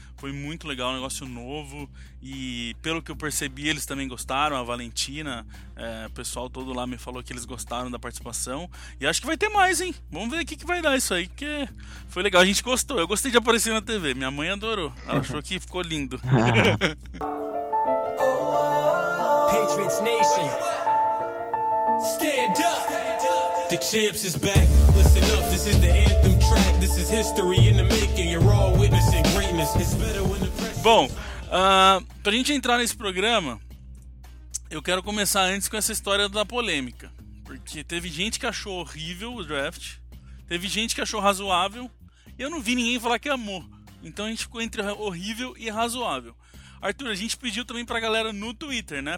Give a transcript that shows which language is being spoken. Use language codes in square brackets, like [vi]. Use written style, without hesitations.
[pt] Foi muito legal, um negócio novo, e pelo que eu percebi eles também gostaram. A Valentina, o pessoal todo lá me falou que eles gostaram da participação, e acho que vai ter mais, hein? Vamos ver o que vai dar isso aí, que foi legal, a gente gostou, eu gostei de aparecer na TV, minha mãe adorou, ela achou que ficou lindo. [en] Patriots Nation, stand up, the champs is back, listen up, this is the anthem track, this is history in the making, you're all witnessing greatness, it's better when the press... [pt] Bom, pra gente entrar nesse programa, eu quero começar antes com essa história da polêmica. Porque teve gente que achou horrível o draft, teve gente que achou razoável, e eu não vi ninguém falar que amou. Então a gente ficou entre horrível e razoável. Arthur, a gente pediu também pra galera no Twitter, né?